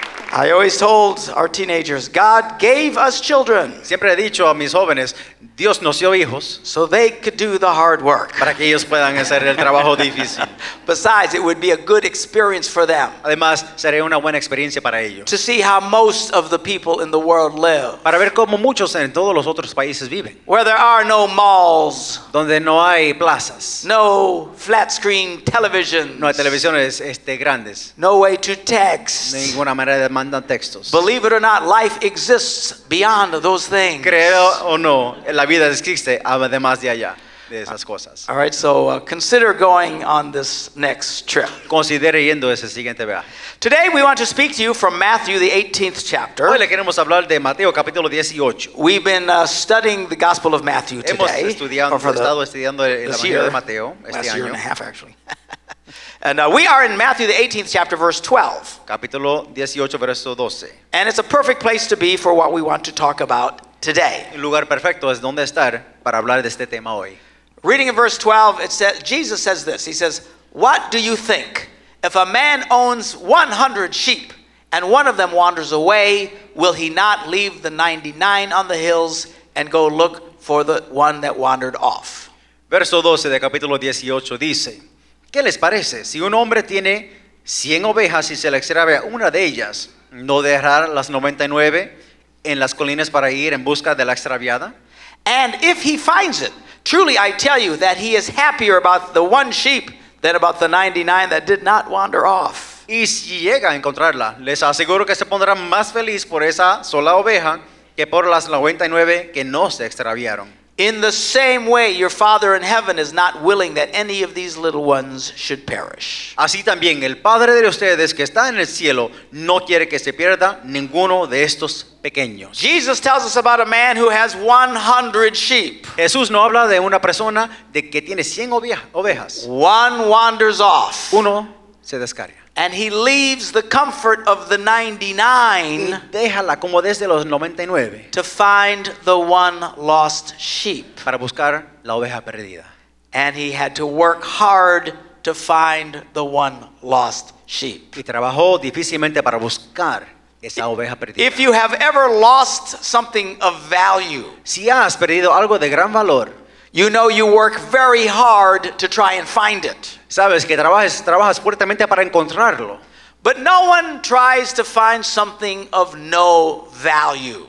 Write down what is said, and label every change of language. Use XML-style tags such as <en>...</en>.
<en>I always told our teenagers, God gave us children.</en> <es>Siempre he dicho a mis jóvenes, Dios nos dio hijos,</es> <en>so they could do the hard work.</en> <es>Para que ellos puedan hacer el trabajo difícil.</es> <en>Besides, it would be a good experience for them.</en> <es>Además, sería una buena experiencia para ellos.</es> <en>To see how most of the people in the world live.</en> <es>Para ver cómo muchos en todos los otros países viven.</es> <en>Where there are no malls.</en> <es>Donde no hay plazas.</es> <en>No flat screen televisions.</en> <es>No hay televisiones grandes.</es> <en>No way to text.</en> <es>De ninguna manera mandan textos.</es> <en>Believe it or not, life exists beyond those things.</en> <es>Creo o no, la vida existe además de allá de esas cosas.</es> <en>All right, so consider going on this next trip.</en> <es>Considere yendo ese siguiente viaje.</es> <en>Today we want to speak to you from Matthew, the 18th chapter.</en> <es>Hoy le queremos hablar de Mateo, capítulo 18.</es> <en>We've been studying the Gospel of Matthew today.</en> <es>Hemos estudiado,</es> <en>or for the,</en> <es>estado estudiando el Evangelio de Mateo este</es> <en>last</en> <es>año.</es> <en>Year and a half, actually. And we are in Matthew, the 18th chapter, verse 12.</en> <es>Capítulo 18, verso 12.</es> <en>And it's a perfect place to be for what we want to talk about today.</en> <es>Un lugar perfecto es donde estar para hablar de este tema hoy.</es> <en>Reading in verse 12, it says, Jesus says this. He says, "What do you think? If a man owns 100 sheep and one of them wanders away, will he not leave the 99 on the hills and go look for the one that wandered off?"</en> <es>Verso 12 de capítulo 18 dice, ¿qué les parece? Si un hombre tiene 100 ovejas y se le extravía una de ellas, ¿no dejará las 99 en las colinas para ir en busca de la extraviada?</es> <en>And if he finds it, truly I tell you that he is happier about the one sheep than about the 99 that did not wander off.</en> <es>Y si llega a encontrarla, les aseguro que se pondrá más feliz por esa sola oveja que por las 99 que no se extraviaron.</es> <en>In the same way, your Father in heaven is not willing that any of these little ones should perish.</en> <es>Así también el Padre de ustedes que está en el cielo no quiere que se pierda ninguno de estos pequeños.</es> <en>Jesus tells us about a man who has 100 sheep.</en> <es>Jesús no habla de una persona de que tiene 100 ovejas.</es> <en>One wanders off.</en> <es>Uno se descarga.</es> <en>And he leaves the comfort of the 99,</en> <es>deja la comodidad de los 99</es> <en>to find the one lost sheep.</en> <es>Para buscar la oveja perdida.</es> <en>And he had to work hard to find the one lost sheep.</en> <es>Y trabajó difícilmente para buscar esa oveja perdida.</es> <en>If you have ever lost something of value,</en> <es>si has perdido algo de gran valor,</es> <en>you know you work very hard to try and find it.</en> <es>Sabes que trabajas fuertemente para encontrarlo.</es> <en>But no one tries to find something of no value.</en>